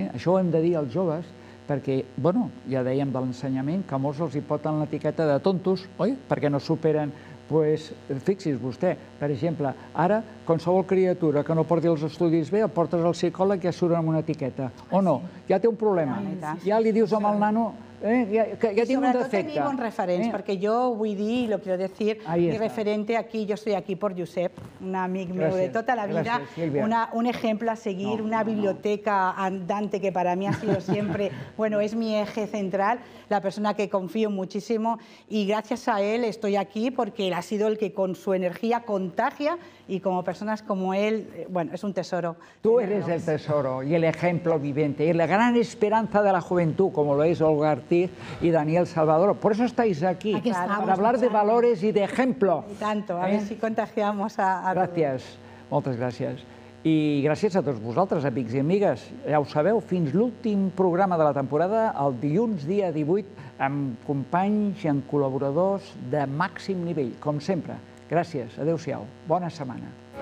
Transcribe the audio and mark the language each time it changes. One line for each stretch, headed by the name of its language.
Catalan: Això ho hem de dir als joves, perquè, bueno, ja dèiem de l'ensenyament, que molts els hi poten l'etiqueta de tontos, oi? Perquè no superen... Doncs fixi's vostè, per exemple, ara qualsevol criatura que no porti els estudis bé el portes al psicòleg i ja surt amb una etiqueta. O no? Ja té un problema. Ja li dius amb el nano... Ja tinc un defecte. Sobretot tenir bons referents, perquè jo vull dir,
Spanish: lo quiero decir, mi referente aquí, yo estoy aquí por Josep,
Catalan: un amic meu de tota la vida,
Spanish: un ejemplo a seguir, una biblioteca andante que para mí ha sido siempre, bueno, es mi eje central, la persona que confío muchísimo, y gracias a él estoy aquí porque él ha sido el que con su energía contagia, y como personas como él, bueno, es un tesoro. Tú eres el tesoro y el ejemplo viviente, y la gran esperanza de la juventud, como lo es Olga Ortiz y Daniel Salvador. Por eso estáis aquí, para hablar de valores y de ejemplo. Y tanto, a ver si contagiamos a todos. Gracias, muchas gracias.
Catalan: I gràcies a tots vosaltres, amics i amigues. Ja ho sabeu, fins l'últim programa de la temporada, el dilluns, dia 18, amb companys i amb col·laboradors de màxim nivell, com sempre. Gràcies, adeu-siau, bona setmana.